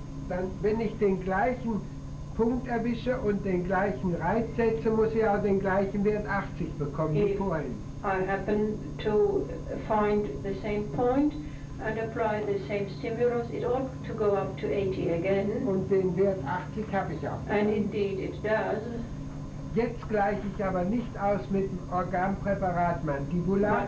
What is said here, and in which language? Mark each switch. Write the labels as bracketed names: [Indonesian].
[German] Dann, wenn ich den gleichen Punkt erwische und den gleichen Reiz setze, muss ich auch den gleichen Wert 80 bekommen [English] if [German] wie vorhin. [English] I happen to find the same point and apply the same stimulus, it ought to go up to 80 again. [German] Und den Wert 80 habe ich auch. [English] And indeed it does. [German] Jetzt gleiche ich aber nicht aus mit dem Organpräparat Mandibula.